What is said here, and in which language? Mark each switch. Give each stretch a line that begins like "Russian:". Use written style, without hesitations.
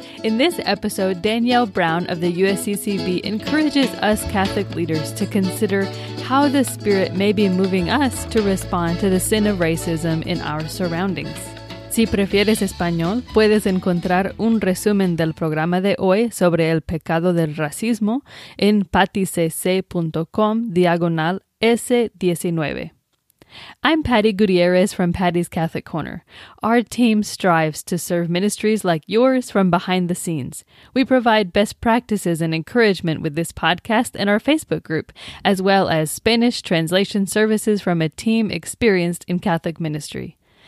English: In this episode, Danielle Brown of the USCCB encourages us Catholic leaders to consider how the Spirit may be moving us to respond to the sin of racism in our surroundings.
Spanish: Si prefieres español, puedes encontrar un resumen del programa de hoy sobre el pecado del racismo en paticc.com/S19.
English: I'm Patty Gutierrez from Patty's Catholic Corner. Our team strives to serve ministries like yours from behind the scenes. We provide best practices and encouragement with this podcast and our Facebook group, as well as Spanish translation services from a team experienced in Catholic ministry.